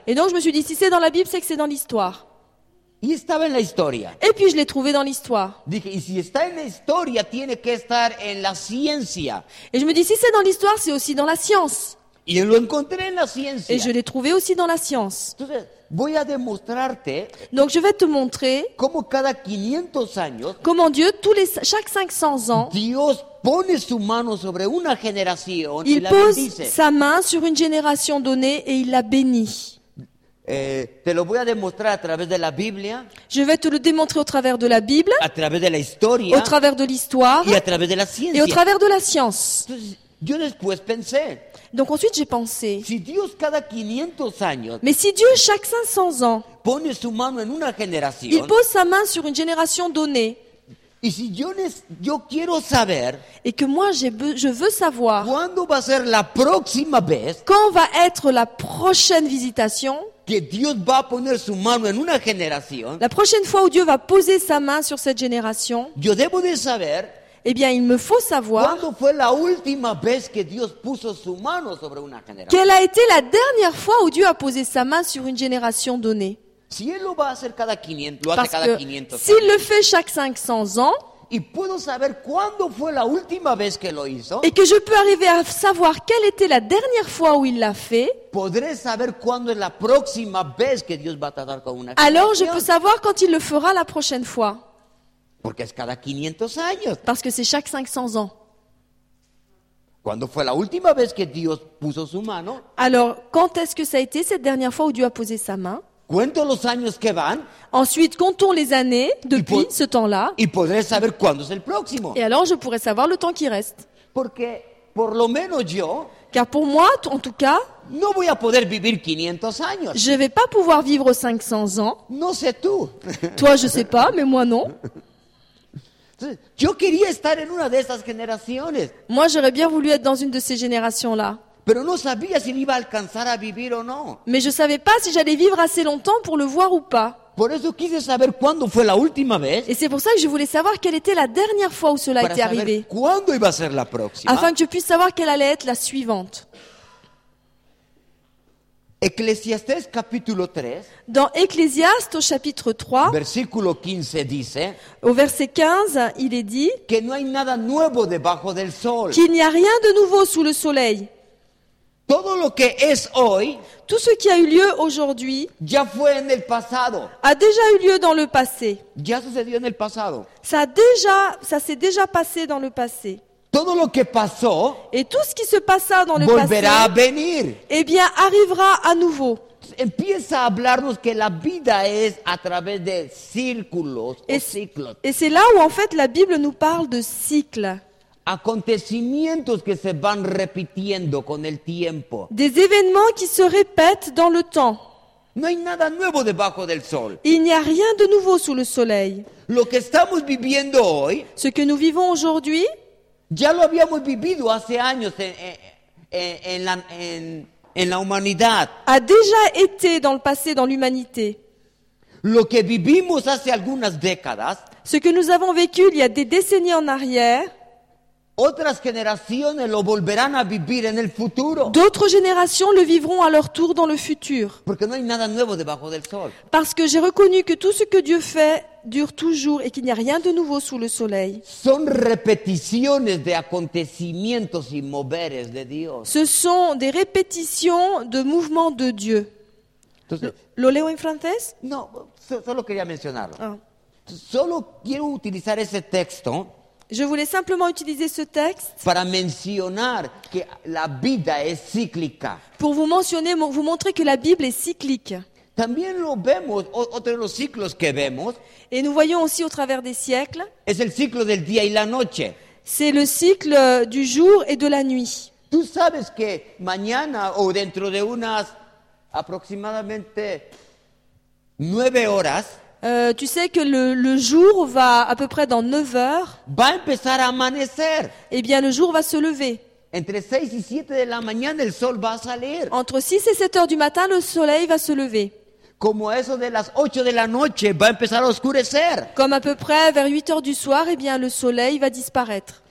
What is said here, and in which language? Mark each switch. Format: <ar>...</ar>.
<fr>Et donc, je me suis dit, si c'est dans la Bible, c'est que c'est dans l'histoire.</fr> <es>Y estaba en la historia.</es> <fr>Et puis, je l'ai trouvé dans l'histoire.</fr> <es>Dije, y si está en la historia, tiene que estar en la ciencia.</es> <fr>Et je me dis, si c'est dans l'histoire, c'est aussi dans la science.</fr> <es>Y lo encontré en la ciencia.</es> <fr>Et je l'ai trouvé aussi dans la science.</fr> <es>Entonces, voy a demostrarte.</es> <fr>Donc, je vais te montrer.</fr> <es>Como cada 500 años,</es> <fr>comment Dieu, tous les, chaque 500 ans,</fr> <es>Dios pone su mano sobre una generación</es> <fr>il</fr> <es>y la</es> <fr>pose</fr> <es>bendice.</es> <fr>Sa main sur une génération donnée et il la bénit.</fr> <es>Te lo voy a demostrar a través de la Biblia.</es> <fr>Je vais te le démontrer au travers de la Bible.</fr> <es>A través de la historia.</es> <fr>Au travers de l'histoire.</fr> <es>Y a través de la ciencia.</es> <fr>Et au travers de la science.</fr> <es>Yo después pensé.</es> <fr>Donc ensuite j'ai pensé.</fr> <es>Si Dios cada 500 años.</es> <fr>Mais si Dieu chaque 500 ans.</fr> <es>Pone su mano en una generación.</es> <fr>Il pose sa main sur une génération donnée.</fr> <es>Y si yo quiero saber,</es> <fr>et que moi je veux savoir,</fr> <es>¿cuándo va a ser la próxima vez?</es> <fr>Quand va être la prochaine visitation?</fr> <es>Que Dios va a poner su mano en una generación.</es> <fr>La prochaine fois où Dieu va poser sa main sur cette génération.</fr> <es>Yo debo de saber.</es> <fr>Eh bien, il me faut savoir.</fr> <es>¿Cuándo fue la última vez que Dios puso su mano sobre una generación?</es> <fr>Quelle a été la dernière fois où Dieu a posé sa main sur une génération donnée?</fr> <es>Si él lo va a hacer cada 500, lo</es> <fr>parce</fr> <es>hace cada</es> <fr>que</fr> <es>500</es> <fr>ans. S'il le fait chaque 500 ans.</fr> <es>Y puedo saber cuándo fue la última vez que lo hizo.</es> <fr>Et que je peux arriver à savoir quelle était la dernière fois où il l'a fait.</fr> <es>Podré saber cuándo es la próxima vez que Dios va a tratar con una generación.</es> <fr>Alors, je peux savoir quand il le fera la prochaine fois.</fr> <es>Porque es cada 500 años.</es> <fr>Parce que c'est chaque 500 ans.</fr> <es>¿Cuándo fue la última vez que Dios puso su mano?</es> <fr>Alors, quand est-ce que ça a été cette dernière fois où Dieu a posé sa main?</fr> <es>Cuento los años que van.</es> <fr>Ensuite, comptons les années depuis ce temps-là.</fr> <es>Y podré saber cuándo es el próximo.</es> <fr>Et alors, je pourrai savoir le temps qui reste.</fr> <es>Porque, por lo menos yo,</es> <fr>car pour moi, en tout cas,</fr> <es>no voy a poder vivir 500 años.</es> <fr>Je vais pas pouvoir vivre 500 ans.</fr> <es>No sé tú.</es> <fr>Toi, je sais pas, mais moi non.</fr> <es>Yo quería estar en una de esas generaciones.</es> <fr>Moi, j'aurais bien voulu être dans une de ces générations-là.</fr> <es>Pero no sabía si iba a alcanzar a vivir o no.</es> <fr>Mais je savais pas si j'allais vivre assez longtemps pour le voir ou pas.</fr> <es>Por eso quise saber cuándo fue la última vez.</es> <fr>Et c'est pour ça que je voulais savoir quelle était la dernière fois où cela était arrivé.</fr> <es>Para saber cuándo iba a ser la próxima.</es> <fr>Afin que je puisse savoir quelle allait être la suivante.</fr> <es>Ecclésiastes capítulo 3.</es> <fr>Dans Ecclésiaste au chapitre 3.</fr> <es>Versículo 15 dice.</es> <fr>Au verset 15, il est dit</fr> <es>que no hay nada nuevo debajo del sol.</es> <fr>Qu'il n'y a rien de nouveau sous le soleil.</fr> <es>Todo lo que es hoy,</es> <fr>tout ce qui a eu lieu aujourd'hui,</fr> <es>ya fue en el pasado,</es> <fr>a déjà eu lieu dans le passé.</fr> <es>Ya sucedió en el pasado.</es> <fr>Ça s'est déjà passé dans le passé.</fr> <es>Todo lo que pasó,</es> <fr>et tout ce qui se passa dans le</fr> <es>volverá</es> <fr>passé,</fr> <es>a venir.</es> <fr>Eh bien, arrivera à nouveau.</fr> <es>Empieza a hablarnos que la vida es a través de círculos o ciclos.</es> <fr>Et c'est là où en fait la Bible nous parle de cycles.</fr> <es>Acontecimientos que se van repitiendo con el tiempo.</es> <fr>Des événements qui se répètent dans le temps.</fr> <es>No hay nada nuevo debajo del sol.</es> <fr>Il n'y a rien de nouveau sous le soleil.</fr> <es>Lo que estamos viviendo hoy,</es> <fr>ce que nous vivons aujourd'hui,</fr> <es>ya lo habíamos vivido hace años en la humanidad.</es> <fr>A déjà été dans le passé dans l'humanité.</fr> <es>Lo que vivimos hace algunas décadas,</es> <fr>ce que nous avons vécu il y a des décennies en arrière,</fr> <es>otras generaciones lo volverán a vivir en el futuro.</es> <fr>D'autres générations le vivront à leur tour dans le futur.</fr> <es>Porque no hay nada nuevo debajo del sol.</es> <fr>Parce que j'ai reconnu que tout ce que Dieu fait dure toujours et qu'il n'y a rien de nouveau sous le soleil.</fr> <es>Son repeticiones de acontecimientos y moveres de Dios.</es> <fr>Ce sont des répétitions de mouvements de Dieu.</fr> <es>Entonces, ¿lo leo en francés? No, solo quería mencionarlo. Solo quiero utilizar ese texto.</es> <fr>Je voulais simplement utiliser ce texte</fr> <es>para mencionar que la vida es cíclica.</es> <fr>Pour vous mentionner, vous montrer que la Bible est cyclique.</fr> <es>También lo vemos, otro de los ciclos que vemos.</es> <fr>Et nous voyons aussi au travers des siècles.</fr> <es>Es el ciclo del día y la noche.</es> <fr>C'est le cycle du jour et de la nuit.</fr> <es>Tú sabes que mañana o dentro de unas aproximadamente 9 horas.</es> <fr>Tu sais que le jour va à peu près dans 9 heures.</fr> <es>Va empezar a amanecer.</es> <fr>Eh bien, le jour va se lever.</fr> <es>Entre 6 y 7 de la mañana el sol va a salir.</es> <fr>Entre 6 et 7 heures du matin, le soleil va se lever.</fr> <es>Como eso de las 8 de la noche va a empezar a oscurecer.</es> <fr>Comme à peu près vers 8 heures du soir, eh bien, le soleil va disparaître.</fr>